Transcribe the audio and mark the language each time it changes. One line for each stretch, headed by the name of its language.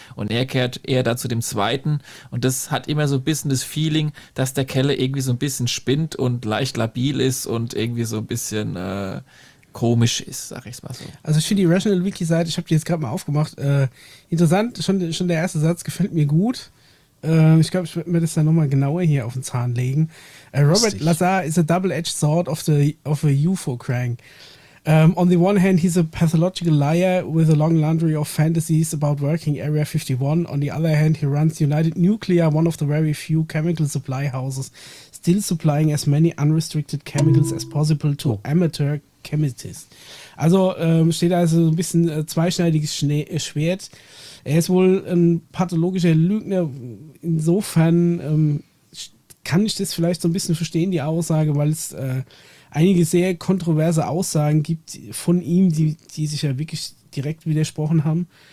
German: Und er kehrt eher da zu dem Zweiten. Und das hat immer so ein bisschen das Feeling, dass der Keller irgendwie so ein bisschen spinnt und leicht labil ist und irgendwie so ein bisschen komisch ist, sag ich es mal so. Also ich finde die Rational Wiki Seite, ich habe die jetzt gerade mal aufgemacht, interessant, schon der erste Satz gefällt mir gut. Ich glaube, ich würde mir das dann nochmal genauer hier auf den Zahn legen.
English: Robert Lazar is a double-edged sword of a UFO crank. On the one hand, he's a pathological liar with a long laundry of fantasies about working Area 51. On the other hand, he runs United Nuclear, one of the very few chemical supply houses, still supplying as many unrestricted chemicals as possible to amateur chemists.
German: Also steht da so ein bisschen zweischneidiges Schwert. Er ist wohl ein pathologischer Lügner. Insofern kann ich das vielleicht so ein bisschen verstehen, die Aussage, weil es einige sehr kontroverse Aussagen gibt von ihm, die sich ja wirklich direkt widersprochen haben.